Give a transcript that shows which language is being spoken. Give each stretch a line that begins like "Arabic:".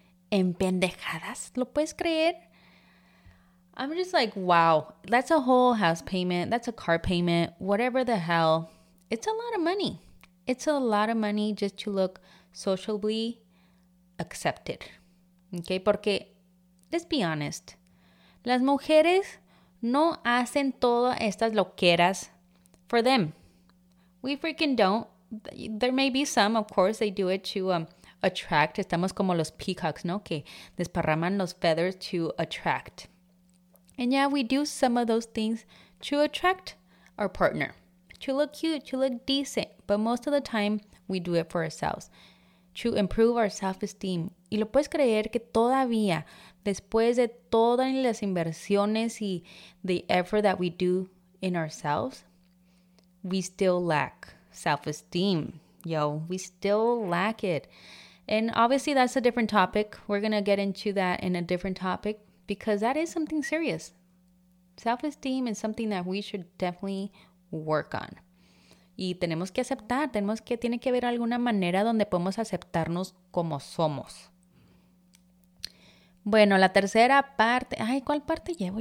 Spanish: En pendejadas, ¿lo puedes creer?
English: I'm just like, wow. That's a whole house payment. That's a car payment. Whatever the hell. It's a lot of money. It's a lot of money just to look socially accepted. Okay,
Spanish: porque,
English: let's be honest.
Spanish: Las mujeres no hacen todas estas loqueras
English: for them. We freaking don't. There may be some, of course, they do it to attract.
Spanish: Estamos como los peacocks, ¿no? Que desparraman los feathers
English: to attract. And yeah, we do some of those things to attract our partner. To look cute, to look decent. But most of the time, we do it for ourselves. To improve our self-esteem.
Spanish: Y lo puedes creer que todavía, después de todas las inversiones y
English: the effort that we do in ourselves, we still lack self-esteem, yo. We still lack it. And obviously, that's a different topic. We're going to get into that in a different topic because that is something serious. Self-esteem is something that we should definitely work on.
Spanish: Y tenemos que aceptar, tiene que haber alguna manera donde podemos aceptarnos como somos. Bueno, la tercera parte, ay, ¿cuál parte llevo?